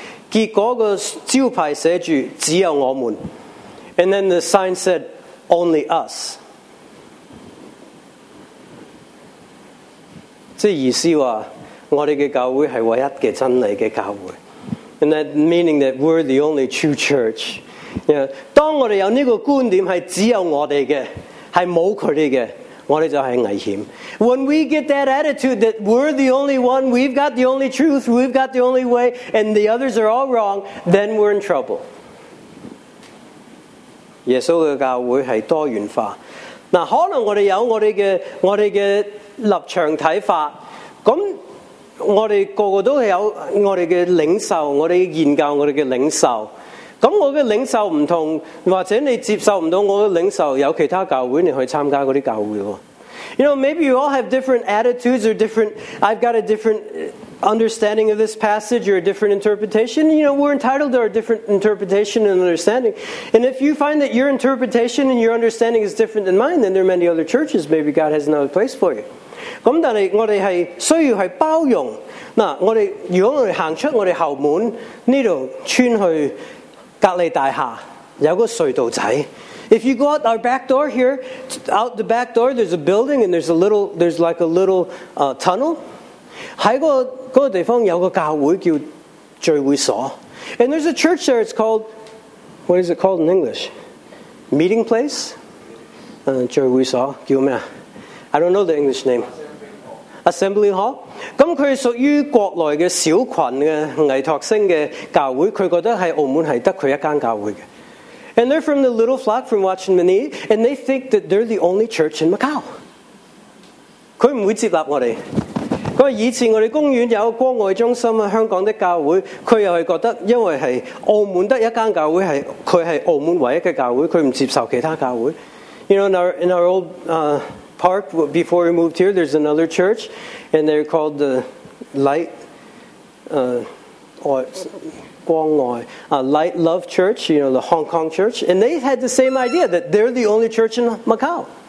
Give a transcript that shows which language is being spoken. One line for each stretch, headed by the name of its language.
Cantonese: 结果个招牌写着只有我们。
English: And then the sign said only us.
Cantonese: 即意思话，我哋嘅教会系唯一嘅真理嘅教会。
English: And that meaning that we're the only true church. Yeah.
Cantonese: 当我哋有呢个观点系只有我哋嘅，系冇佢哋嘅，我哋就系危险。
English: When we get that attitude that we're the only one, we've got the only truth, we've got the only way, and the others are all wrong, then we're in trouble.
Cantonese: 耶稣嘅教会系多元化。嗱，可能我哋有我哋嘅。立场睇法，咁我哋个个都有我哋嘅领袖，我哋研究我哋嘅领袖。咁我嘅领袖唔同，或者你接受唔到我嘅领袖，有其他教会你去参加嗰啲教会喎。
English: You know, maybe you all have different attitudes or different. I've got a different understanding of this passage or a different interpretation. You know, we're entitled to our different interpretation and understanding. And if you find that your interpretation and your understanding is different than mine, then there are many other churches. Maybe God has another place for you.
Cantonese: 咁但系我哋系需要系包容。嗱，我哋如果我哋行出我哋后门呢度，穿去隔篱大厦有个隧道仔。
English: If you go out our back door here, out the back door, there's a building and there's like a little tunnel.
Cantonese: 喺嗰个地方有个教会叫聚会所。
English: And there's a church there. It's called what is it called in English? Meeting place.
Cantonese: 聚会所叫咩啊？
English: I don't know the English name. Assembly Hall.
Cantonese: 咁佢属于国内嘅小群嘅倪托星嘅教会，佢觉得喺澳门系得佢一间教会嘅。
English: And they're from the little flock from Watchmeni, and they think that they're the only church in Macau.
Cantonese: 佢唔会接纳我哋。佢话以前我哋公园有个关爱中心啊，香港的教会，佢又系觉得因为系澳门得一间教会，系佢系澳门唯一嘅教会，佢唔接受其他教会。
English: You know, in our old park before we moved here, there's another church, and they're called the Light Guangwai, Light Love Church, you know, the Hong Kong Church, and they had the same idea that they're the only church in Macau.